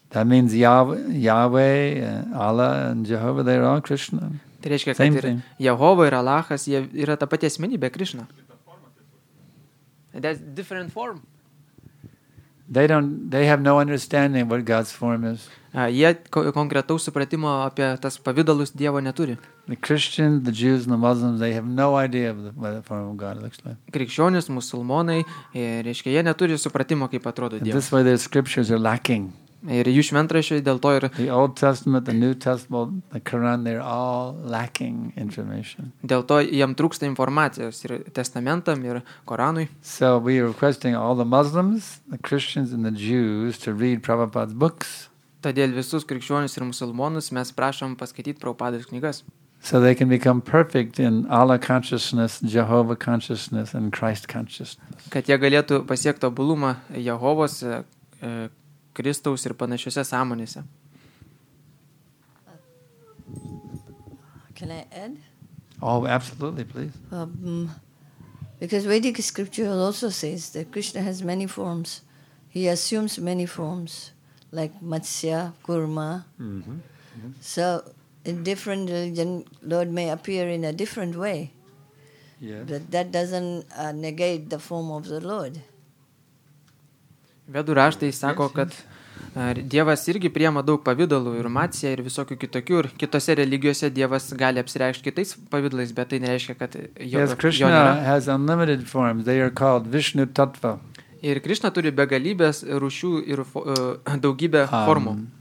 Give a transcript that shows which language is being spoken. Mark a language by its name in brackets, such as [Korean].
[English] That means Yahweh, Allah and Jehovah, they are all Krishna. [Lithuanian] Tai reiškia, kad ir Jehovah ir Allahas, jie yra ta pati asmenybė Krishna. [English] That's different form. They have no understanding what God's form is. [Lithuanian] Jie konkretaus supratimo apie tas pavidalus Dievo neturi. [English] The Christians, the Jews and the Muslims, they have no idea of what the form of God looks like. [Lithuanian] Krikščionys, musulmonai, reiškia, jie neturi supratimo, kaip atrodo Dievas. [English] This is why their scriptures are lacking. [Lithuanian] Ir jų šventraščiai dėl to ir [English] The Old Testament, the New Testament, the Quran, they're all lacking information. [Lithuanian] Dėl to jiem trūksta informacijos ir testamentam ir Koranui. [English] So we are requesting all the Muslims, the Christians and the Jews to read Prabhupada's books. [Lithuanian] Todėl visus krikščionius ir musulmonus mes prašom paskaityti Prabhupados knygas. [English] So they can become perfect in Allah consciousness, Jehovah consciousness and Christ consciousness. [Lithuanian] Kad jie galėtų pasiekti tobulumą Jehovos Kristaus ir panašiose sąmonėse. [English] Can I add? Oh, absolutely, please. Because Vedic scripture also says that Krishna has many forms. He assumes many forms, like Matsya, Kurma. Mm-hmm. So, in different religion, Lord may appear in a different way. Yes. But that doesn't negate the form of the Lord. [Lithuanian] Vedų raštai sako, kad Dievas irgi priema daug pavidalų ir maciją ir visokių kitokių ir kitose religijose Dievas gali apsireikšti kitais pavidalais, bet tai nereiškia, kad jo, [English] yes, Krishna [Lithuanian] jo nėra. [English] Has unlimited forms. They are called Vishnu Tattva. [Lithuanian] Ir Krishna turi begalybės rūšių ir daugybę formų.